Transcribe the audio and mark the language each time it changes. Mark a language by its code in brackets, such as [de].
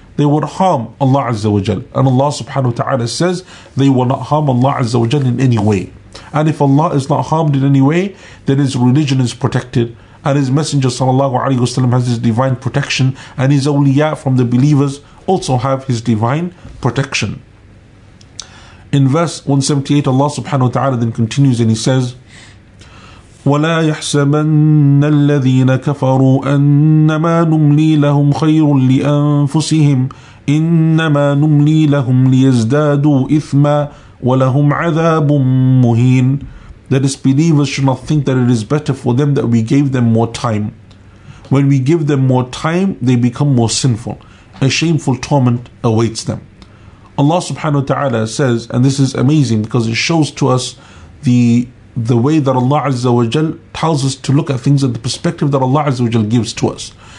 [en] They would harm Allah Azza wa Jal. And Allah subhanahu wa ta'ala says they will not harm Allah Azza wa Jal in any way. And if Allah is not harmed in any way, then his religion is protected, and his messenger sallallahu alaihi wasallam has his divine protection, and his awliya from the believers also have his divine protection. In verse 178, Allah subhanahu wa ta'ala then continues and he says, [ar] وَلَا يَحْسَبَنَّ الَّذِينَ كَفَرُوا أَنَّمَا نُمْلِي لَهُمْ خَيْرٌ لِأَنفُسِهِمْ إِنَّمَا نُمْلِي لَهُمْ لِيَزْدَادُوا إِثْمًا وَلَهُمْ عَذَابٌ مُهِينٌ. [en] The disbelievers should not think that it is better for them that we gave them more time. When we give them more time, they become more sinful. A shameful torment awaits them. Allah subhanahu wa ta'ala says, and this is amazing because it shows to us the way that Allah Azza wa Jal tells us to look at things and the perspective that Allah Azza wa Jal gives to us.